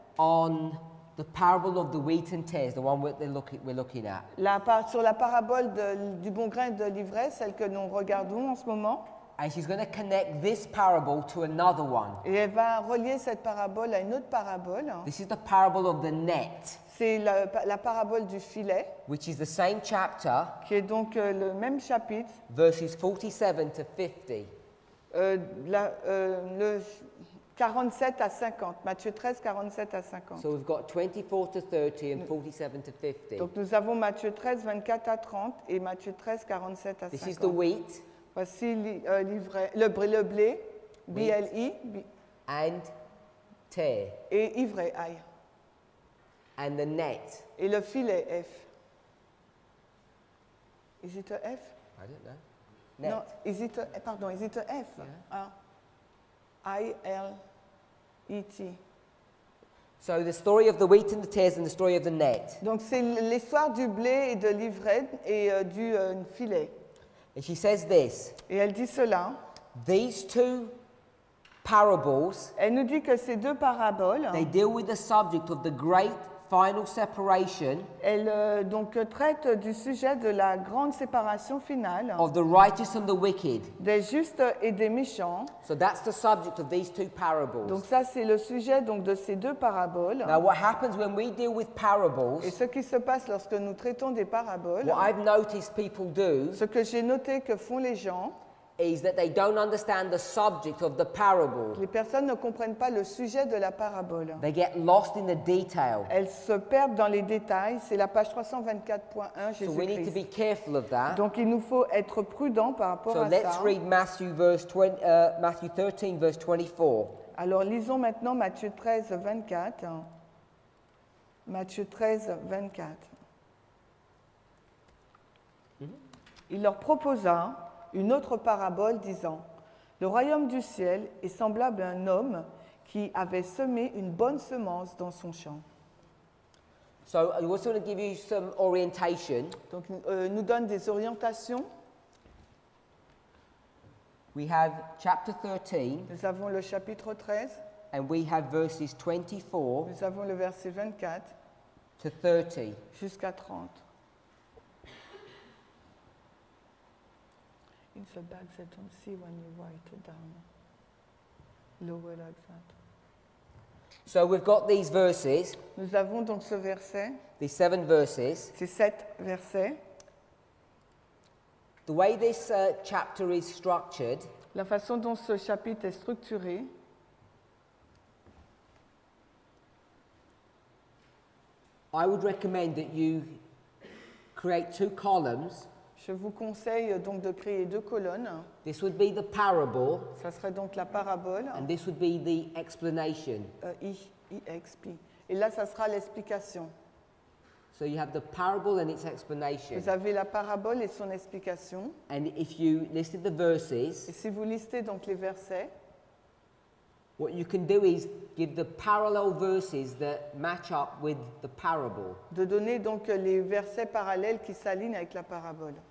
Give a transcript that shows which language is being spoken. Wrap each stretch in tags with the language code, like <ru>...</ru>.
<en>on the parable of the wheat and tares, the one we're looking at.</en> <fr>Sur la parabole du bon grain de l'ivraie, celle que nous regardons en ce moment.</fr> <en>And she's going to connect this parable to another one.</en> <fr>Et elle va relier cette parabole à une autre parabole.</fr> <en>This is the parable of the net.</en> <fr>C'est la parabole du filet,</fr> <en>which is the same chapter,</en> <fr>qui est donc le même chapitre,</fr> <en>verses 47 to 50.</en> <fr>Le 47 à 50, Matthieu 13, 47 à 50.</fr> <en>So we've got 24 to 30 and 47 to 50.</en> <fr>Donc nous avons Matthieu 13, 24 à 30 et Matthieu 13, 47 à 50.</fr> <en>This is the wheat.</en> <fr>Voici le blé, B-L-I.</fr> <en>And tares.</en> <fr>Et ivraie, aïe.</fr> <en>And the net.</en> <fr>Et le filet, F.</fr> <en>Is it a F? I don't know. Net. No, is it a, pardon, is it a F? Yeah. I-L-E-T. So the story of the wheat and the tares and the story of the net.</en> <fr>Donc c'est l'histoire du blé et de l'ivraie et du filet.</fr> <en>And she says this.</en> <fr>Et elle dit cela.</fr> <en>These two parables.</en> <fr>Elle nous dit que ces deux paraboles.</fr> <en>They deal with the subject of the great final separation.</en> <fr>Elle donc traite du sujet de la grande séparation finale.</fr> <en>Of the righteous and the wicked.</en> <fr>Des justes et des méchants.</fr> <en>So that's the subject of these two parables.</en> <fr>Donc ça c'est le sujet donc de ces deux paraboles.</fr> <en>Now what happens when we deal with parables?</en> <fr>Et ce qui se passe lorsque nous traitons des paraboles?</fr> <en>What I've noticed people do.</en> <fr>Ce que j'ai noté que font les gens.</fr> <en>Is that they don't understand the subject of the parable.</en> <fr>Les personnes ne comprennent pas le sujet de la parabole.</fr> <en>They get lost in the detail.</en> <fr>Elles se perdent dans les détails. C'est la page 324.1, Jésus-Christ.</fr> <en>So we need to be careful of that.</en> <fr>Donc il nous faut être prudent par rapport</fr> <en>so</en> <fr>à ça.</fr> <en>So let's read Matthew 13, verse 24.</en> <fr>Alors lisons maintenant Matthieu 13, 24. Hein. Matthieu 13, 24. Mm-hmm. Il leur proposa une autre parabole disant, le royaume du ciel est semblable à un homme qui avait semé une bonne semence dans son champ.</fr> <en>So, I also want to give you some orientation.</en> <fr>Donc, nous donne des orientations.</fr> <en>We have chapter 13.</en> <fr>Nous avons le chapitre 13.</fr> <en>And we have verses 24.</en> <fr>Nous avons le verset 24.</fr> <en>To 30.</en> <fr>Jusqu'à 30.</fr> <en>It's a bag that I don't see when you write it down. Lower like that. So we've got these verses.</en> <fr>Nous avons donc ce verset.</fr> <en>These seven verses.</en> <fr>Ces sept versets.</fr> <en>The way this chapter is structured.</en> <fr>La façon dont ce chapitre est structuré.</fr> <en>I would recommend that you create two columns.</en> <fr>Je vous conseille donc de créer deux colonnes.</fr> <en>This would be the parable.</en> <fr>Ça serait donc la parabole.</fr> <en>And this would be the explanation. E-X-P.</en> <fr>Et là, ça sera l'explication.</fr> <en>So you have the parable and its explanation.</en> <fr>Vous avez la parabole et son explication.</fr> <en>And if you listed the verses.</en> <fr>Et si vous listez donc les versets.</fr> <en>What you can do is give the parallel verses that match up with the parable.</en> <fr>De donner donc les versets parallèles qui s'alignent avec la parabole.</fr>